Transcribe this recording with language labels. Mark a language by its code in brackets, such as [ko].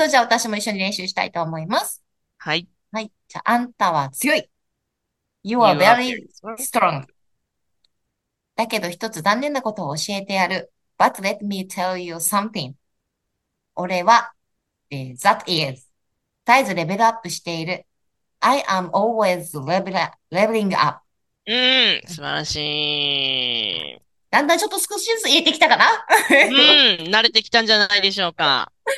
[ja] 度じゃあ私も一緒に練習したいと思います。はい。はい。じゃあ、あんたは強い。 [en] You are You are very very strong. strong. [ja] だけど一つ残念なことを教えてやる。 [en] But let me tell you something. [ja] 俺は、 [en] that is. [ja] 絶えずレベルアップしている。 [en] I am always leveling up. [ja] うん、素晴らしい。だんだんちょっと少しずつ言えてきたかな？ はうん、慣れてきたんじゃないでしょうか。